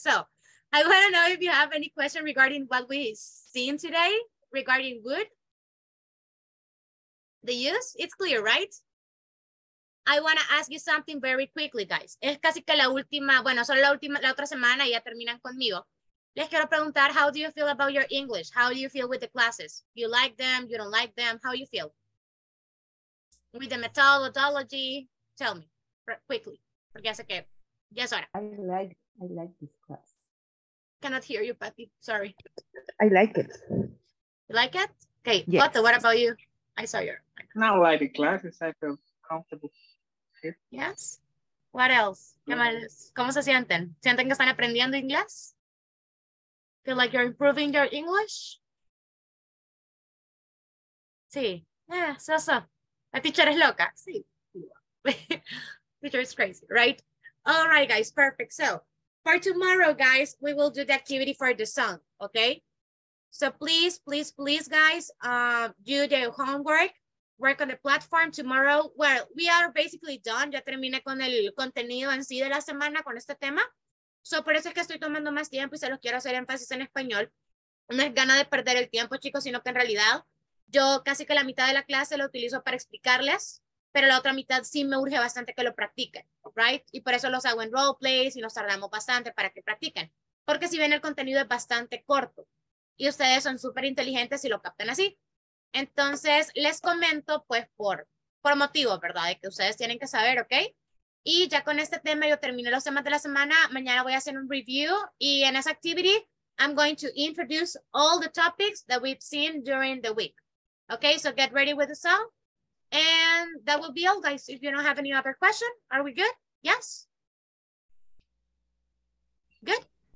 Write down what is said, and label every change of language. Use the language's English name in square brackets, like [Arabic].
[English] So, I want to know if you have any question regarding what we've seen today regarding wood. The use, it's clear, right? I want to ask you something very quickly, guys. [Spanish] Es casi que la última, bueno, solo la última, la otra semana y ya terminan conmigo. Les quiero preguntar, [English] how do you feel about your English? How do you feel with the classes? You like them, you don't like them, how you feel? With the methodology, tell me, quickly. [Spanish] Porque hace que, ya es hora. [English] I like this class. Cannot hear you, Patty, sorry. I like it. You like it? Okay, yes. Otto, what about you? I saw your... Not like the classes, I feel comfortable. Yes? What else? [Spanish] ¿Cómo se sienten? ¿Sienten que están aprendiendo inglés? [English] Feel like you're improving your English? [Spanish] Sí. [English] Yeah, so. [Spanish] La teacher es loca. Sí. [English] Teacher is crazy, right? All right, guys, perfect. So, for tomorrow, guys, we will do the activity for the song, okay? So please, please, please, guys, do the homework, work on the platform tomorrow. Well, we are basically done. [Spanish] Ya terminé con el contenido en sí de la semana con este tema. So por eso es que estoy tomando más tiempo y se los quiero hacer énfasis en español. No es gana de perder el tiempo, chicos, sino que en realidad yo casi que la mitad de la clase lo utilizo para explicarles, pero la otra mitad sí me urge bastante que lo practiquen, right? Y por eso los hago en roleplays y nos tardamos bastante para que practiquen. Porque si bien el contenido es bastante corto, y ustedes son súper inteligentes y lo captan así. Entonces, les comento, pues, por motivo, ¿verdad? De que ustedes tienen que saber, ¿ok? Y ya con este tema, yo terminé los temas de la semana. Mañana voy a hacer un review. Y en esa [English] activity, I'm going to introduce all the topics that we've seen during the week. ¿Ok? So, get ready with the song. And that will be all, guys. If you don't have any other question, are we good? Yes? Good?